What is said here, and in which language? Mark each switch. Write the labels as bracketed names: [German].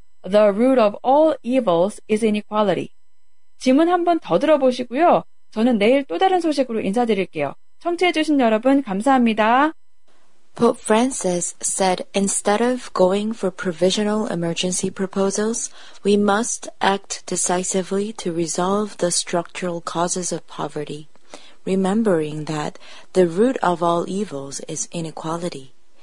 [English] The root of all evils is inequality. [Korean] 지문 한 번 더 들어보시고요. 저는 내일 또 다른 소식으로 인사드릴게요. 청취해주신 여러분 감사합니다. [English] Pope Francis said instead of going for provisional emergency proposals, we must act decisively to resolve the structural causes of poverty, remembering that the root of all evils is inequality.